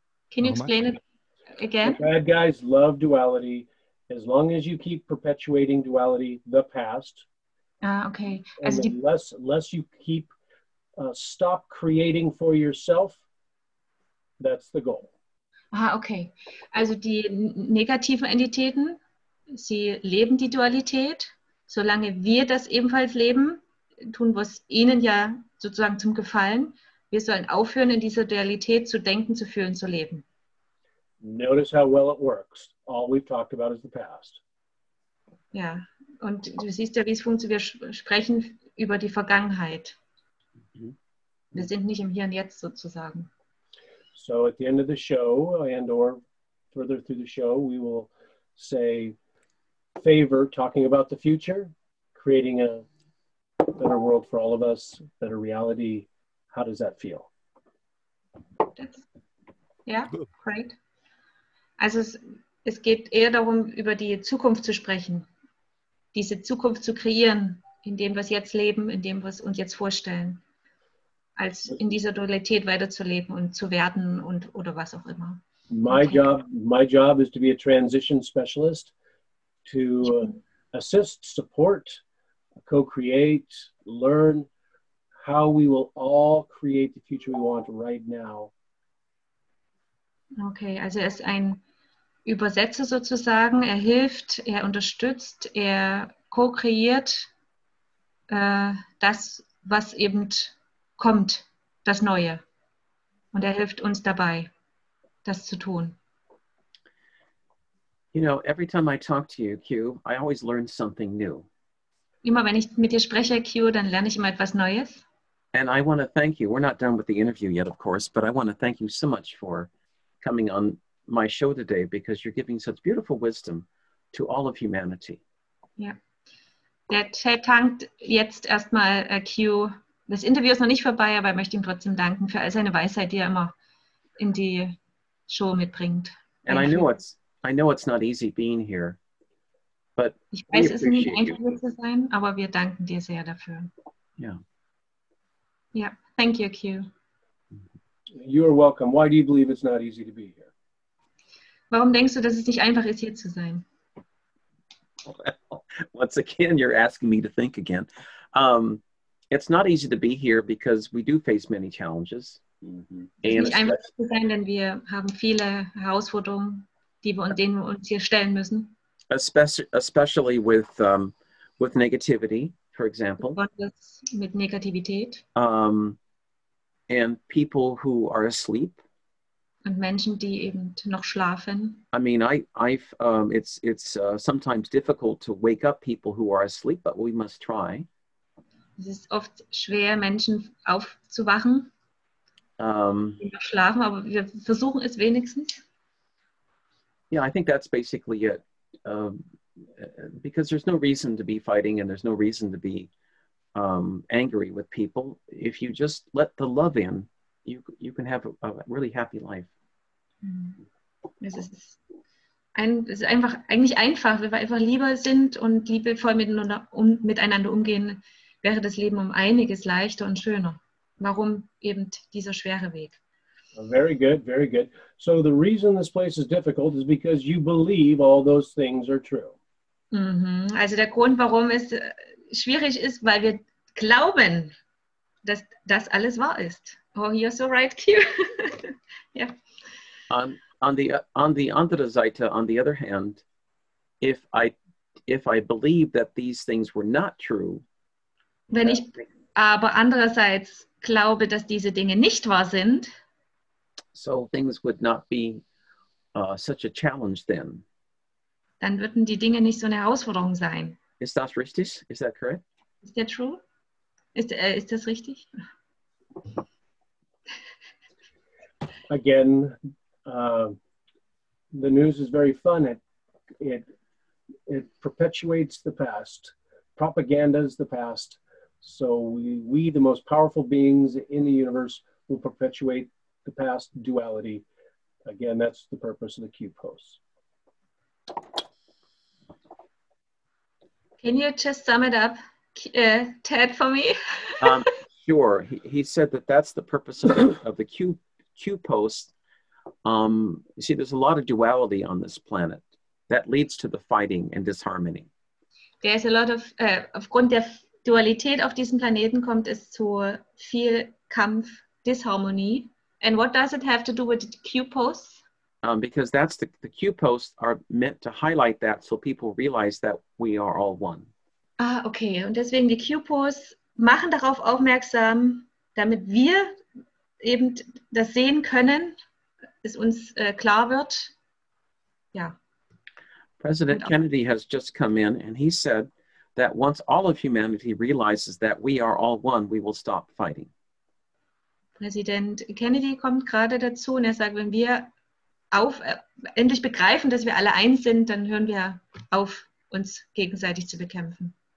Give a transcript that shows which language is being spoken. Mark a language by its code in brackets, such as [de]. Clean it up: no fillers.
[en] Can you explain it again? The bad guys love duality. As long as you keep perpetuating duality, the past. Unless you keep stop creating for yourself, that's the goal. [de] Also die negativen Entitäten, sie leben die Dualität. Solange wir das ebenfalls leben, tun wir es ihnen ja sozusagen zum Gefallen. Wir sollen aufhören, in dieser Dualität zu denken, zu fühlen, zu leben. [en] Notice how well it works. All we've talked about is the past. [de] Ja, und du siehst ja, wie es funktioniert. Wir sprechen über die Vergangenheit. Wir sind nicht im Hier und Jetzt sozusagen. [en] So at the end of the show and or further through the show, we will say, favor talking about the future, creating a better world for all of us, better reality. How does that feel? Great. [de] Also es geht eher darum, über die Zukunft zu sprechen, diese Zukunft zu kreieren, in dem wir jetzt leben, in dem wir es uns jetzt vorstellen, als in dieser Dualität weiterzuleben und zu werden und oder was auch immer. [en] My job is to be a transition specialist. To assist, support, co-create, learn how we will all create the future we want right now. [de] Okay, also er ist ein Übersetzer sozusagen. Er hilft, er unterstützt, er co-kreiert das, was eben kommt, das Neue. Und er hilft uns dabei, das zu tun. [en] You know, every time I talk to you, Q, I always learn something new. [de] Immer wenn ich mit dir spreche, Q, dann lerne ich immer etwas Neues. [en] And I want to thank you. We're not done with the interview yet, of course, but I want to thank you so much for coming on my show today because you're giving such beautiful wisdom to all of humanity. [de] Yeah. Der Chat dankt jetzt erstmal Q. Das Interview ist noch nicht vorbei, aber ich möchte ihm trotzdem danken für all seine Weisheit, die er immer in die Show mitbringt. [en] And I knew what's I know it's not easy being here, but [de] ich weiß, es ist nicht einfach zu sein, aber wir danken dir sehr dafür. [en] Yeah, thank you, Q. You are welcome. Why do you believe it's not easy to be here? Warum denkst du, dass es nicht einfach ist, hier zu sein? Well, once again, you're asking me to think again. It's not easy to be here because we do face many challenges. Mm-hmm. [de] Es ist nicht einfach zu sein, denn wir haben viele Herausforderungen. Denen wir uns hier stellen müssen. [en] Especially with negativity, for example. [de] Mit Negativität. [en] And people who are asleep. [de] Und Menschen, die eben noch schlafen. [en] I mean, it's sometimes difficult to wake up people who are asleep, but we must try. [de] Es ist oft schwer, Menschen aufzuwachen. Schlafen, aber wir versuchen es wenigstens. [en] Yeah, I think that's basically it. Because there's no reason to be fighting and there's no reason to be angry with people. If you just let the love in, you can have a really happy life. [de] Es ist einfach eigentlich einfach, wenn wir einfach lieber sind und liebevoll miteinander umgehen, wäre das Leben um einiges leichter und schöner. Warum eben dieser schwere Weg? [en] Very good, very good. So the reason this place is difficult is because you believe all those things are true. [de] Also der Grund, warum es schwierig ist, weil wir glauben, dass das alles wahr ist. [en] Oh, you're so right, Q. Yeah. On the [de] andere Seite, [en] on the other hand, if I believe that these things were not true, [de] wenn ich aber andererseits glaube, dass diese Dinge nicht wahr sind, [en] so things would not be such a challenge then. [de] Dann würden die Dinge nicht so eine Herausforderung sein. Ist das richtig? Ist das korrekt? Ist das true? Ist das richtig? [en] Again, the news is very fun. It perpetuates the past. Propaganda is the past. So we, the most powerful beings in the universe, will perpetuate the past duality. Again, that's the purpose of the Q-Post. Can you just sum it up, Ted, for me? Sure. He said that's the purpose of the Q-Post. You see, there's a lot of duality on this planet that leads to the fighting and disharmony. There's a lot of, [de] aufgrund der Dualität auf diesem Planeten kommt es zu viel Kampf, Disharmonie. [en] And what does it have to do with the Q-Post? Because that's the Q-posts are meant to highlight that so people realize that we are all one. Ah, okay. [de] Und deswegen die Q-posts machen darauf aufmerksam, damit wir eben das sehen können, es uns klar wird. Ja. [en] President Kennedy has just come in and he said that once all of humanity realizes that we are all one, we will stop fighting. [de] Präsident Kennedy kommt gerade dazu und er sagt, wenn wir endlich begreifen, dass wir alle eins sind, dann hören wir auf, uns gegenseitig zu bekämpfen.